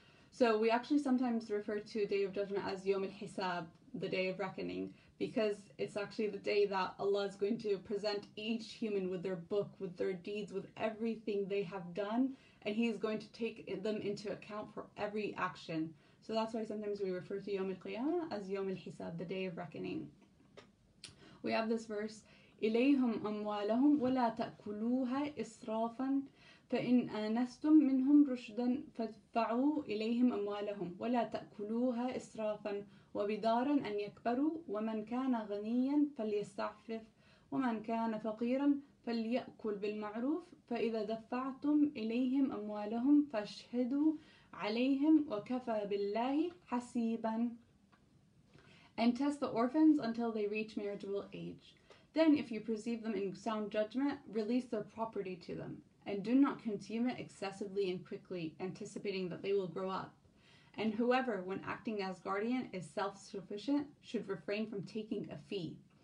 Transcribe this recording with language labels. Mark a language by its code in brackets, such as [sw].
[en] So we actually sometimes refer to Day of Judgment as Yom al-Hisab, the Day of Reckoning, because it's actually the day that Allah is going to present each human with their book, with their deeds, with everything they have done, and He is going to take them into account for every action. So that's why sometimes we refer to Yom al-Qiyamah as Yom al-Hisab, the Day of Reckoning. We have this verse, [ar] إليهم أموالهم ولا تأكلوها إسرافا فإن آنستم منهم رشدا فادفعوا إليهم أموالهم ولا تأكلوها إسرافا وبدارا أن يكبروا ومن كان غنيا فليستعفف ومن كان فقيرا فليأكل بالمعروف فإذا دفعتم إليهم أموالهم فاشهدوا عليهم وكفى بالله حسيبا. [en] And test the orphans until they reach marriageable age. Then, if you perceive them in sound judgment, release their property to them. And do not consume it excessively and quickly, anticipating that they will grow up. And whoever, when acting as guardian, is self-sufficient, should refrain from taking a fee.